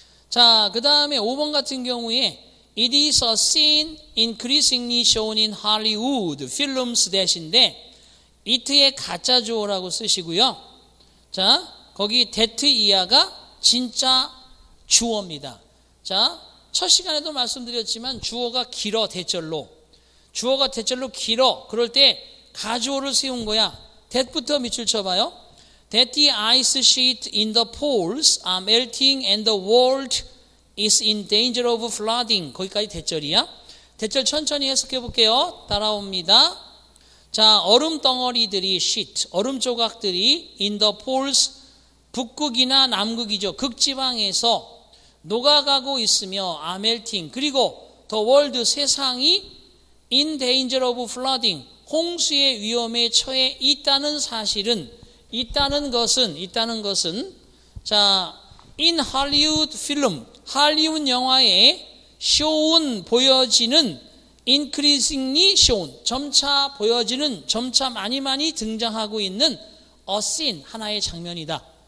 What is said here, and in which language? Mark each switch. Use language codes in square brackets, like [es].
[ko] 자, 그 다음에 5번 같은 경우에 [en] It is a scene increasingly shown in Hollywood films that [ko] 인데 it의 가짜 주어라고 쓰시고요. 자, 거기 that 이하가 진짜 주어입니다. 자, 첫 시간에도 말씀드렸지만 주어가 길어, 대절로. 주어가 대절로 길어. 그럴 때 가주어를 세운 거야. that부터 밑줄 쳐봐요. [en] That the ice sheet in the poles are melting and the world is in danger of flooding. [ko] 거기까지 대절이야. 대절 천천히 해석해 볼게요. 따라옵니다. 자, 얼음 덩어리들이 sheet, 얼음 조각들이 in the poles, 북극이나 남극이죠. 극지방에서 녹아가고 있으며 [en] are melting. [ko] 그리고 the world, 세상이 [en] in danger of flooding, [ko] 홍수의 위험에 처해 있다는 사실은, 있다는 것은 자, [en] in Hollywood film, [ko] 할리우드 영화에 shown, 보여지는, [en] increasingly shown, [ko] 점차 보여지는, 점차 많이 많이 등장하고 있는 [en] a scene, [ko] 하나의 장면이다.